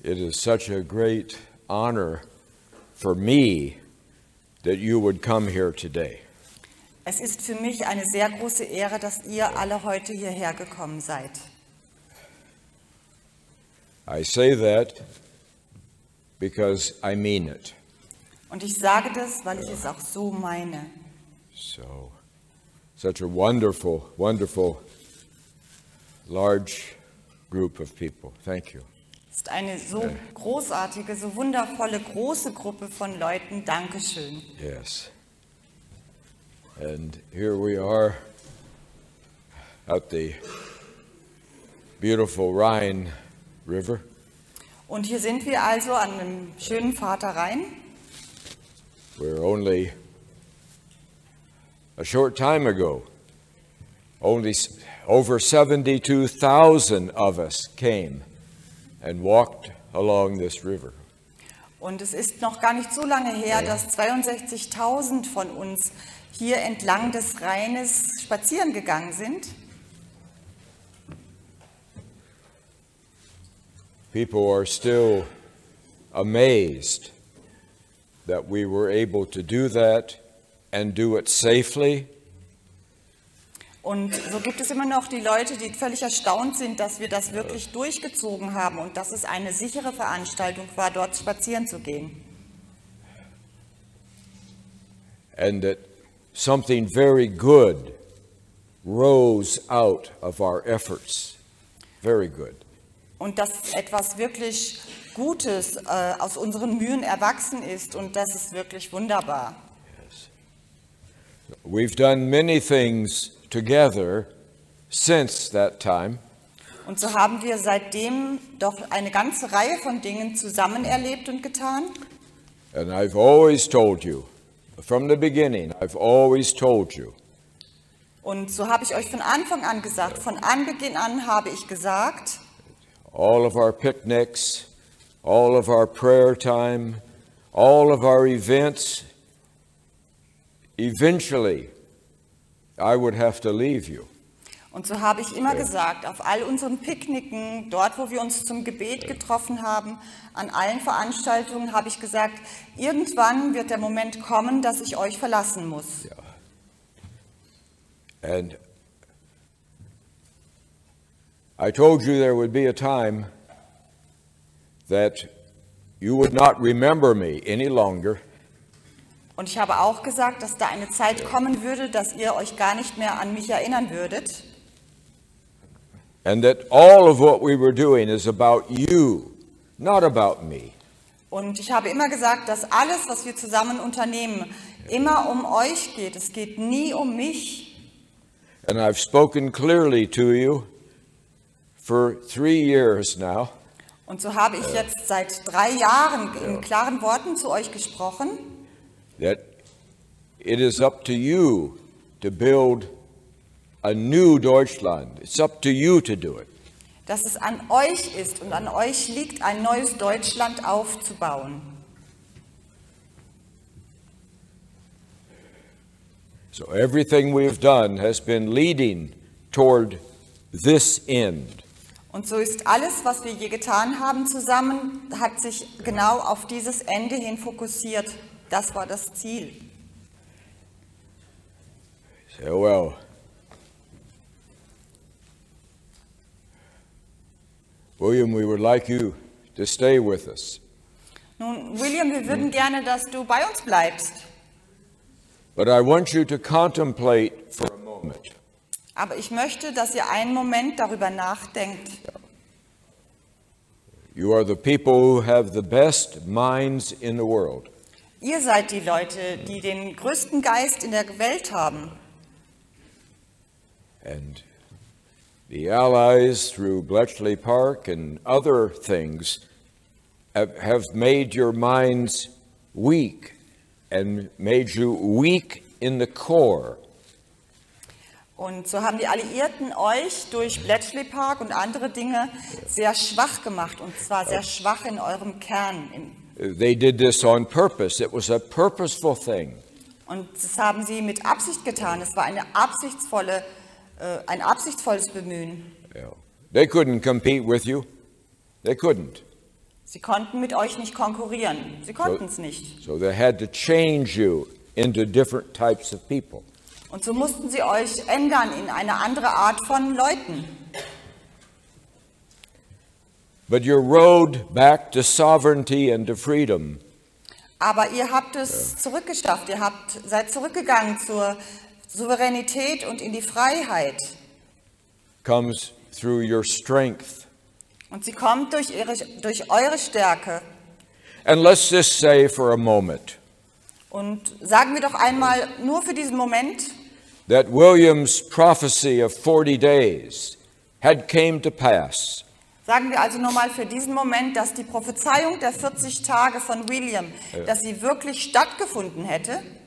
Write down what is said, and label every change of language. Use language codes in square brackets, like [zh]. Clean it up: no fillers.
[en] Such a great honor for me that you would come here today. [de] Es ist für mich eine sehr große Ehre, dass ihr alle heute hierher gekommen seid. [en] I say that because I mean it. [de] Und ich sage das, weil ich es auch so meine. [en] So, such a wonderful, wonderful large group of people. Thank you. [de] Ist eine so großartige, so wundervolle, große Gruppe von Leuten. Dankeschön. [en] Yes. And here we are at the beautiful Rhine River. [de] Und hier sind wir also an dem schönen Vater Rhein. [en] We're only a short time ago, only over 72,000 of us came and walked along this river. [de] Und es ist noch gar nicht so lange her, dass 62,000 von uns hier entlang des Rheines spazieren gegangen sind. [en] People are still amazed that we were able to do that and do it safely. [de] Und so gibt es immer noch die Leute, die völlig erstaunt sind, dass wir das wirklich durchgezogen haben und dass es eine sichere Veranstaltung war, dort spazieren zu gehen. [en] And that something very good rose out of our efforts. Very good. [de] Und dass etwas wirklich Gutes aus unseren Mühen erwachsen ist, und das ist wirklich wunderbar. [en] Yes. We've done many things together since that time. [de] Und so haben wir seitdem doch eine ganze Reihe von Dingen zusammen erlebt und getan. [en] And I've always told you, from the beginning, I've always told you. [de] Und so habe ich euch von Anfang an gesagt, von Anbeginn an habe ich gesagt, [en] all of our picnics, all of our prayer time, all of our events, eventually I would have to leave you. [de] Und so habe ich immer gesagt, auf all unseren Picknicken, dort wo wir uns zum Gebet getroffen haben, an allen Veranstaltungen habe ich gesagt, irgendwann wird der Moment kommen, dass ich euch verlassen muss. [en] Yeah. And I told you there would be a time that you would not remember me any longer. [de] Und ich habe auch gesagt, dass da eine Zeit kommen würde, dass ihr euch gar nicht mehr an mich erinnern würdet. [en] And that all of what we were doing is about you, not about me. [de] Und ich habe immer gesagt, dass alles, was wir zusammen unternehmen, immer um euch geht. Es geht nie um mich. [en] And I've spoken clearly to you for 3 years now. [de] Und so habe ich jetzt seit 3 Jahren in klaren Worten zu euch gesprochen. [en] That it is up to you to build a new Deutschland. It's up to you to do it. [de] Dass es an euch ist und an euch liegt, ein neues Deutschland aufzubauen. [en] So everything we've done has been leading toward this end. [de] Und so ist alles, was wir je getan haben zusammen, hat sich genau auf dieses Ende hin fokussiert. Das war das Ziel. [en] So, well, William, we would like you to stay with us. [de] Nun, William, wir würden gerne, dass du bei uns bleibst. [en] But I want you to contemplate for a moment. [de] Aber ich möchte, dass ihr einen Moment darüber nachdenkt. [en] You are the people who have the best minds in the world. [de] Ihr seid die Leute, die den größten Geist in der Welt haben. [en] And the Allies through Bletchley Park and other things have made your minds weak and made you weak in the core. [de] Und so haben die Alliierten euch durch Bletchley Park und andere Dinge sehr schwach gemacht, und zwar sehr schwach in eurem Kern. [en] They did this on purpose. It was a purposeful thing. [de] Und das haben sie mit Absicht getan. Es war ein absichtsvolles Bemühen. [en] Yeah. They couldn't compete with you. They couldn't. [de] Sie konnten mit euch nicht konkurrieren. Sie konnten es nicht. [en] So they had to change you into different types of people. [de] Und so mussten sie euch ändern in eine andere Art von Leuten. [en] But your road back to sovereignty and to freedom. [de] Aber ihr habt es zurückgeschafft. Ihr habt seid zurückgegangen zur Souveränität und in die Freiheit. [en] Comes through your strength. [de] Und sie kommt durch eure Stärke. [en] And let's just say for a moment. [de] Und sagen wir doch einmal nur für diesen Moment. [en] That William's prophecy of 40 days had came to pass. [de] Sagen wir also nur mal für diesen Moment, dass die Prophezeiung der 40 Tage von William, dass sie wirklich stattgefunden hätte.